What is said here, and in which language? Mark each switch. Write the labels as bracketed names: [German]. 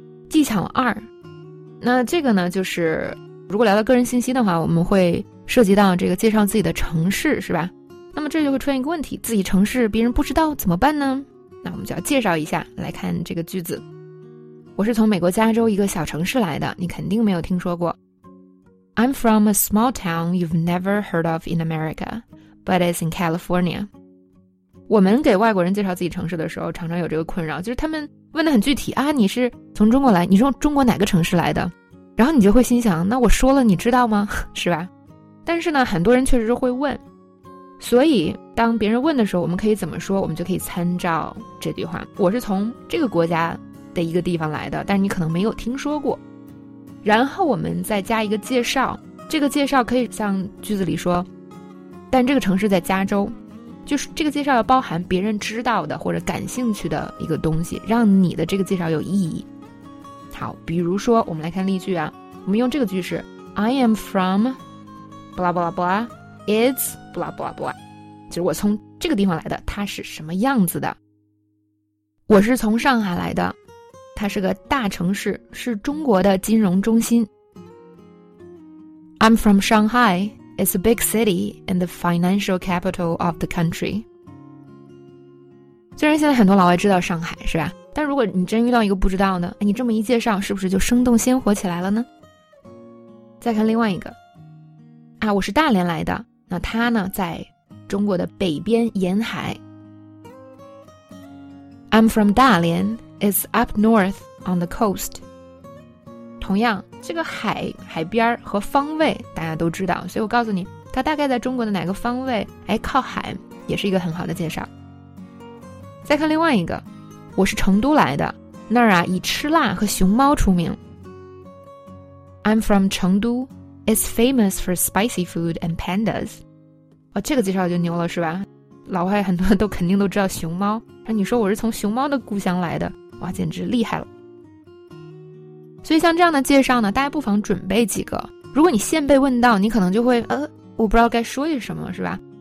[Chinese] 技巧二，那这个呢，就是如果聊到个人信息的话，我们会涉及到这个介绍自己的城市，是吧？那么这就会出现一个问题，自己城市别人不知道怎么办呢？那我们就要介绍一下，来看这个句子。我是从美国加州一个小城市来的，你肯定没有听说过。 [English] I'm from a small town you've never heard of in America, but it's in California. [Chinese] 我们给外国人介绍自己城市的时候，常常有这个困扰，就是他们问得很具体啊，你是从中国来，你是从中国哪个城市来的？然后你就会心想，那我说了你知道吗？是吧？但是呢，很多人确实是会问，所以当别人问的时候，我们可以怎么说？我们就可以参照这句话，我是从这个国家的一个地方来的，但是你可能没有听说过。然后我们再加一个介绍，这个介绍可以像句子里说，但这个城市在加州，就是这个介绍要包含别人知道的或者感兴趣的一个东西，让你的这个介绍有意义。好，比如说我们来看例句啊，我们用这个句式 [English] I am from blah blah [Chinese] blah it's blah blah blah， 就是我从这个地方来的，它是什么样子的。我是从上海来的，它是个大城市，是中国的金融中心。 [English] I'm from Shanghai, it's a big city and the financial capital of the country. [Chinese] 虽然现在很多老外知道上海，是吧？但如果你真遇到一个不知道的，你这么一介绍，是不是就生动鲜活起来了呢？再看另外一个啊，我是大连来的，那它呢在中国的北边沿海。 [English] I'm from 大连，It's up north on the coast. [Chinese] 同样，这个海，海边和方位大家都知道，所以我告诉你，它大概在中国的哪个方位，哎，靠海，也是一个很好的介绍。再看另外一个，我是成都来的，那儿啊，以吃辣和熊猫出名。 [English] I'm from 成都， It's famous for spicy food and pandas. [Chinese] 哦，这个介绍就牛了，是吧？老外很多都肯定都知道熊猫，那你说我是从熊猫的故乡来的，哇，简直厉害了。所以像这样的介绍呢，大家不妨准备几个。如果你现被问到，你可能就会我不知道该说些什么，是吧？